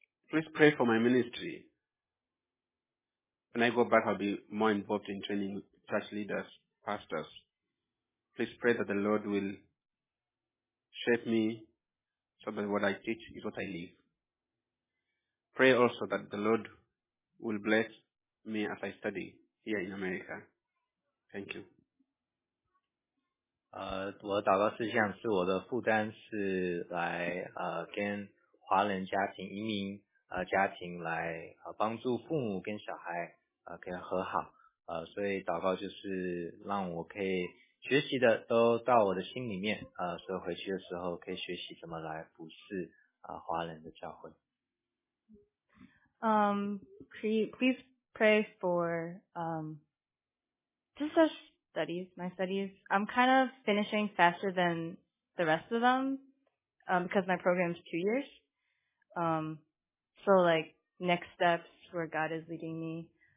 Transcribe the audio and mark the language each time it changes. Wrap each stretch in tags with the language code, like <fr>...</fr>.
<en>Please pray for my ministry. When I go back, I'll be more involved in training church leaders, pastors. Please pray that the Lord will shape me so that what I teach is what I live. Pray also that the Lord will bless me as I study here in America. Thank you.</en> <zh>我祷告事项是我的负担是来跟华人家庭移民家庭来帮助父母跟小孩可以和好所以祷告就是让我可以学习的都到我的心里面所以回去的时候可以学习怎么来服侍华人的教会。</zh> <en>Please pray for just our studies, my studies. I'm kind of finishing faster than the rest of them because my program's 2 years. So like next steps where God is leading me.</en>